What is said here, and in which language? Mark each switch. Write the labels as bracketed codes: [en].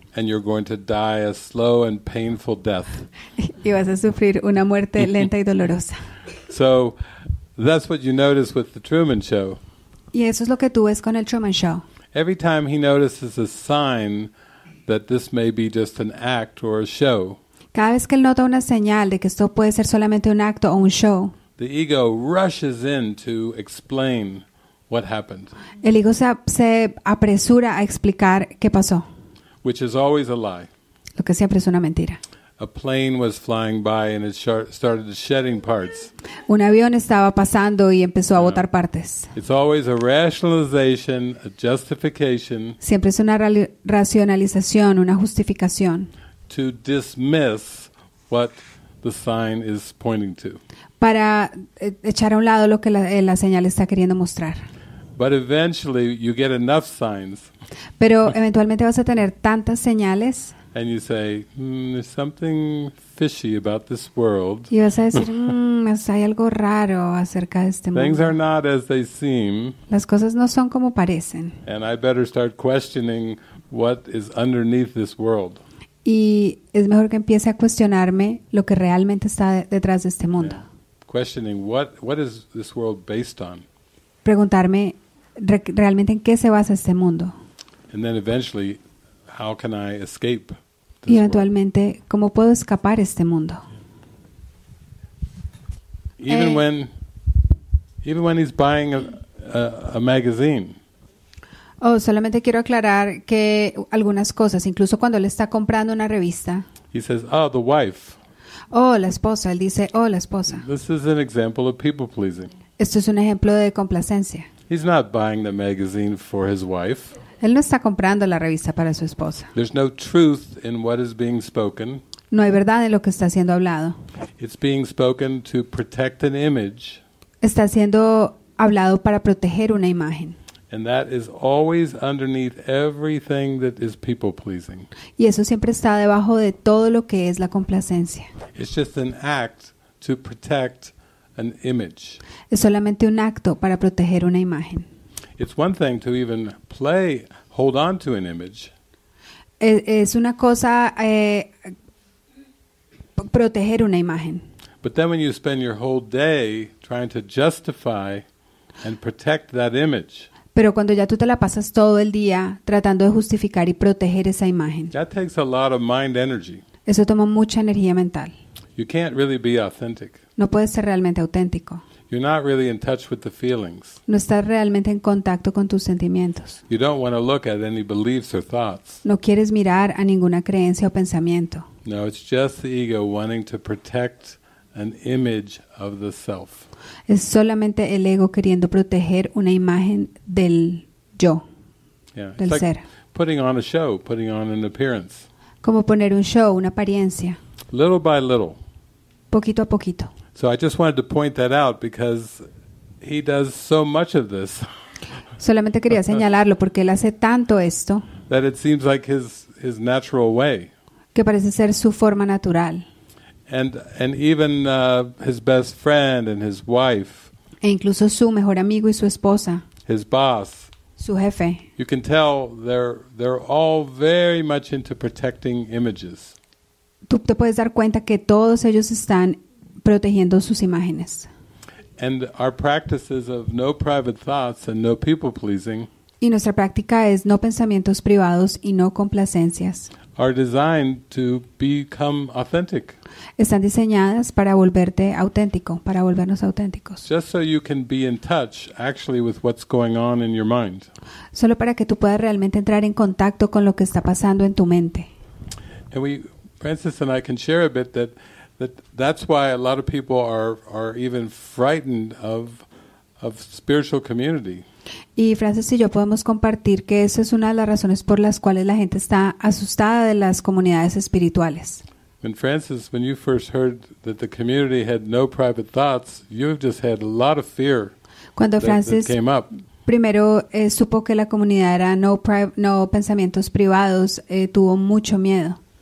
[en] And you're going to die a slow and painful death. [es] Y vas a sufrir una muerte lenta y dolorosa. [en] So that's what you notice with the Truman Show. [es] Y eso es lo que tú ves con el Truman Show. [en] Every time he notices a sign that this may be just an act or a show. [es] Cada vez que él nota una señal de que esto puede ser solamente un acto o un show. [en] The ego rushes in to explain what happened. [es] El ego se apresura a explicar qué pasó. [en] Which is always a lie. [es] Lo que siempre es una mentira. [en] A plane was flying by and it started shedding parts. [es] Un avión estaba pasando y empezó a botar partes. [en] It's always a rationalization, a justification. [es] Siempre es una racionalización, una justificación. [en] To dismiss what the sign is pointing to. [es] Para echar a un lado lo que la señal está queriendo mostrar. [en] But eventually you get enough signs. [es] Pero eventualmente vas a tener tantas señales. [en] And you say, there's something fishy about this world. [es] Y vas a decir, hay algo raro acerca de este mundo. [en] Things are not as they seem. [es] Las cosas no son como parecen. [en] And I better start questioning what is underneath this world. [es] Y es mejor que empiece a cuestionarme lo que realmente está detrás de este mundo. [en] Yeah. Questioning what is this world based on? [es] Preguntarme realmente en qué se basa este mundo. [en] And then eventually, how can I escape [es] this y eventualmente, ¿cómo puedo escapar este mundo? [en] Even when he's buying a magazine. [es] Oh, solamente quiero aclarar que algunas cosas, incluso cuando él está comprando una revista. [en] He says, oh, the wife. [es] Oh, la esposa. Él dice, oh, la esposa. [en] This is an example of people pleasing. [es] Esto es un ejemplo de complacencia. [en] He's not buying the magazine for his wife. [es] Él no está comprando la revista para su esposa. [en] There's no truth in what is being spoken. [es] No hay verdad en lo que está siendo hablado. [en] It's being spoken to protect an image. [es] Está siendo hablado para proteger una imagen. [en] And that is always underneath everything that is people pleasing. [es] Y eso siempre está debajo de todo lo que es la complacencia. [en] It's just an act to protect an image. [es] Es solamente un acto para proteger una imagen. [en] It's one thing to even play, hold on to an image. [es] Es una cosa proteger una imagen. [en] But then when you spend your whole day trying to justify and protect that image. [es] Pero cuando ya tú te la pasas todo el día tratando de justificar y proteger esa imagen. [en] That takes a lot of mind energy. [es] Eso toma mucha energía mental. [en] You can't really be authentic. [es] No puedes ser realmente auténtico. [en] You're not really in touch with the feelings. [es] No estás realmente en contacto con tus sentimientos. [en] You don't want to look at any beliefs or thoughts. [es] No quieres mirar a ninguna creencia o pensamiento. [en] No, it's just the ego wanting to protect an image of the self. [es] Es solamente el ego queriendo proteger una imagen del yo, yeah, del [en] it's [es] ser. [en] Like putting on a show, putting on an appearance. [es] Como poner un show, una apariencia. [en] Little by little. [es] Poquito a poquito. [en] So I just wanted to point that out because he does so much of this. [es] Solamente quería señalarlo porque él hace tanto esto. [en] That it seems like his natural way. [es] Que parece ser su forma natural. [en] And even his best friend and his wife. [es] E incluso su mejor amigo y su esposa. [en] His boss. [es] Su jefe. [en] You can tell they're all very much into protecting images. [es] Tú te puedes dar cuenta que todos ellos están protegiendo sus imágenes. [en] And our practices of no private thoughts and no people pleasing. [es] Y nuestra práctica es no pensamientos privados y no complacencias. [en] Are designed to become authentic. [es] Están diseñadas para volverte auténtico, para volvernos auténticos. [en] Just so you can be in touch actually with what's going on in your mind. [es] Solo para que tú puedas realmente entrar en contacto con lo que está pasando en tu mente. [en] And we, Francis and I can share a bit that's why a lot of people are even frightened of spiritual community. [es] Y Francis y yo podemos compartir que esa es una de las razones por las cuales la gente está asustada de las comunidades espirituales. [en] When Francis, when you first heard that the community had no private thoughts, you just had a lot of fear. [es] Cuando Francis primero supo que la comunidad era no pensamientos privados, tuvo mucho miedo.